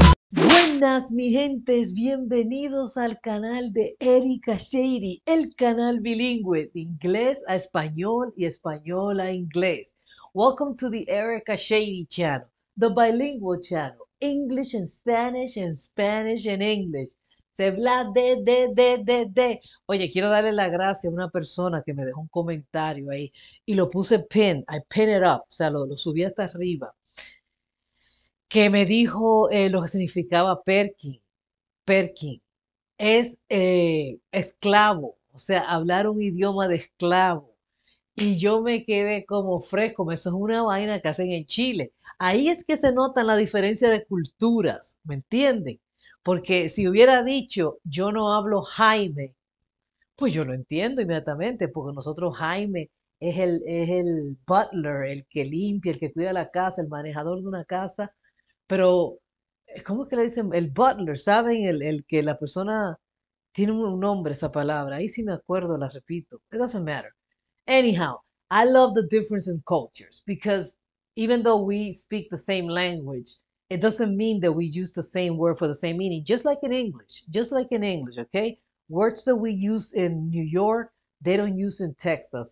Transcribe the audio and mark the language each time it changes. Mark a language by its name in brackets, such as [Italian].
[Spanish] Buenas, mi gentes, bienvenidos al canal de Erika Shady, el canal bilingüe de inglés a español y español a inglés. [English] Welcome to the Erika Shady channel, the bilingual channel, English and Spanish in English. Se bla de. [Spanish] Oye, quiero darle la gracia a una persona que me dejó un comentario ahí y lo puse pin, [English] I pin it up, [Spanish] o sea, lo subí hasta arriba. Que me dijo lo que significaba Perkin. Perkin es esclavo, o sea, hablar un idioma de esclavo. Y yo me quedé como fresco, eso es una vaina que hacen en Chile. Ahí es que se nota la diferencia de culturas, ¿me entienden? Porque si hubiera dicho yo no hablo Jaime, pues yo lo entiendo inmediatamente, porque nosotros Jaime es el butler, el que limpia, el que cuida la casa, el manejador de una casa. Pero, ¿cómo es que le dicen? El butler, ¿saben? El que la persona tiene un nombre, esa palabra. Ahí sí me acuerdo, la repito. [English] It doesn't matter. Anyhow, I love the difference in cultures because even though we speak the same language, it doesn't mean that we use the same word for the same meaning. Just like in English. Just like in English, okay? Words that we use in New York, they don't use in Texas.